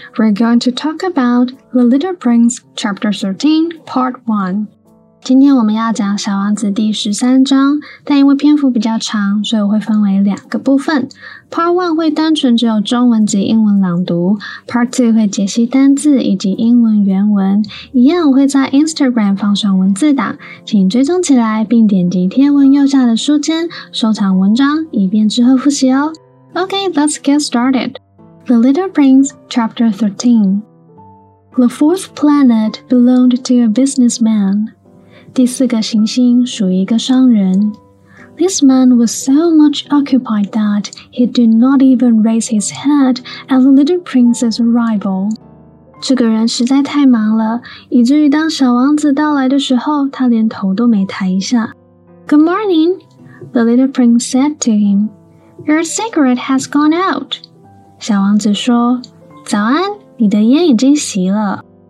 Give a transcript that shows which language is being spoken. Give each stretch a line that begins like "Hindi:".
English: We're going to talk about The Little Prince, Chapter 13, Part 1.
Chinese: 今天我们要讲小王子第十三章，但因为篇幅比较长，所以我会分为两个部分。 Part 1会单纯只有中文及英文朗读， Part 2会解析单字以及英文原文。一样，我会在 Instagram 放上文字档，请追踪起来，并点击贴文右下的书签收藏文章，以便之后复习哦。
English: Okay, let's get started. The Little Prince, Chapter 13. The fourth planet belonged to a businessman.
Chinese: 第四个行星属于一个商人。
English: This man was so much occupied that he did not even raise his head at the little prince's arrival.
Chinese: 这个人实在太忙了，以至于当小王子到来的时候，他连头都没抬一下。
English: Good morning, the little prince said to him. Your cigarette has gone out.
Chinese: 小王子说，早安，你的烟已经熄了。